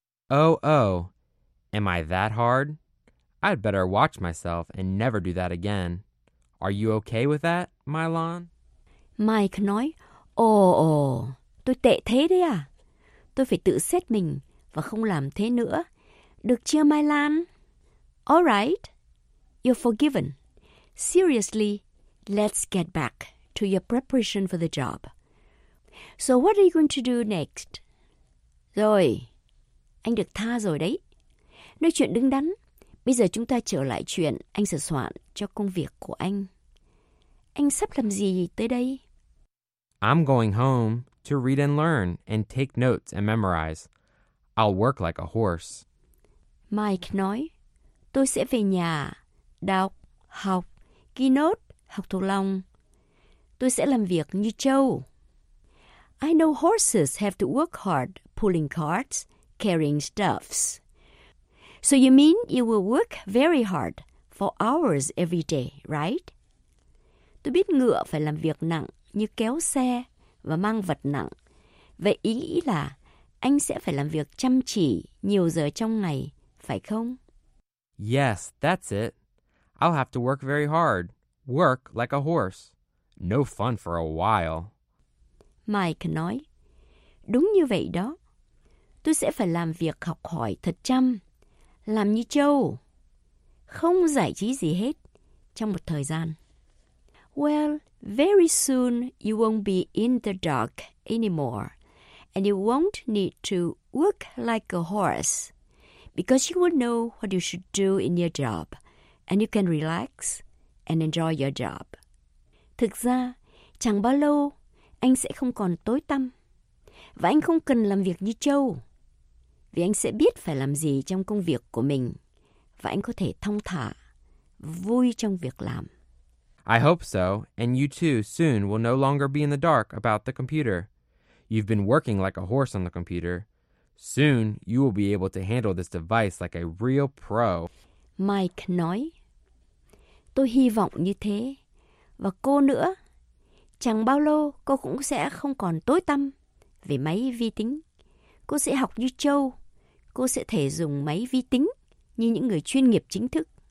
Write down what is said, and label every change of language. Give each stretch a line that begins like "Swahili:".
English: Oh, oh, am I that hard? I'd better watch myself and never do that again. Are you okay with that, Mylon?
Vietnamese: Mike nói, Oh, tôi tệ thế đấy à. Tôi phải tự xét mình và không làm thế nữa. Được chưa, Mylon?
English: All right, you're forgiven. Seriously, let's get back to your preparation for the job. So what are you going to do next?
Vietnamese: Rồi, anh được tha rồi đấy. Nói chuyện đứng đắn. Bây giờ chúng ta trở lại chuyện anh sửa soạn cho công việc của anh. Anh sắp làm gì tới đây?
English: I'm going home to read and learn and take notes and memorize. I'll work like a horse.
Vietnamese: Mike nói, tôi sẽ về nhà, đọc, học, ghi nốt, học thuộc lòng. Tôi sẽ làm việc như trâu.
English: I know horses have to work hard pulling carts, carrying stuffs. So you mean you will work very hard for hours every day, right?
Vietnamese: Tôi biết ngựa phải làm việc nặng như kéo xe và mang vật nặng. Vậy ý nghĩ là anh sẽ phải làm việc chăm chỉ nhiều giờ trong ngày, phải không?
English: Yes, that's it. I'll have to work very hard. Work like a horse. No fun for a while.
Vietnamese: Mike nói, đúng như vậy đó. Tôi sẽ phải làm việc học hỏi thật chăm. Làm như trâu. Không giải trí gì hết trong một thời gian.
English: Well, very soon you won't be in the dark anymore. And you won't need to work like a horse. Because you will know what you should do in your job. And you can relax and enjoy your job.
Vietnamese: Thực ra, chẳng bao lâu, anh sẽ không còn tối tăm. Và anh không cần làm việc như trâu. Vì anh sẽ biết phải làm gì trong công việc của mình. Và anh có thể thong thả, vui trong việc làm.
English: I hope so, and you too soon will no longer be in the dark about the computer. You've been working like a horse on the computer. Soon, you will be able to handle this device like a real pro.
Vietnamese: Mike nói, tôi hy vọng như thế. Và cô nữa, chẳng bao lâu cô cũng sẽ không còn tối tăm về máy vi tính. Cô sẽ học như trâu. Cô sẽ thể dùng máy vi tính như những người chuyên nghiệp chính thức.